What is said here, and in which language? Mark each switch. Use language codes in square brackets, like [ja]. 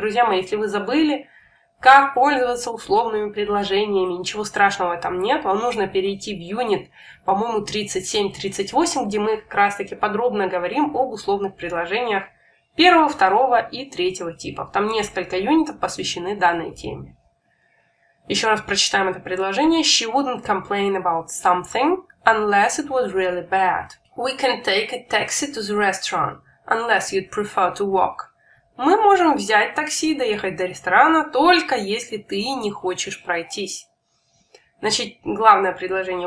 [ru] Друзья мои, если вы забыли, как пользоваться условными предложениями, ничего страшного там нет, вам нужно перейти в юнит, по-моему, 37-38, где мы как раз-таки подробно говорим об условных предложениях первого, второго и третьего типов. Там несколько юнитов посвящены данной теме. Еще раз прочитаем это предложение. [en] She wouldn't complain about something unless it was really bad. We can take a taxi to the restaurant unless you'd prefer to walk. [ru] Мы можем взять такси и доехать до ресторана, только если ты не хочешь пройтись. Значит, главное предложение.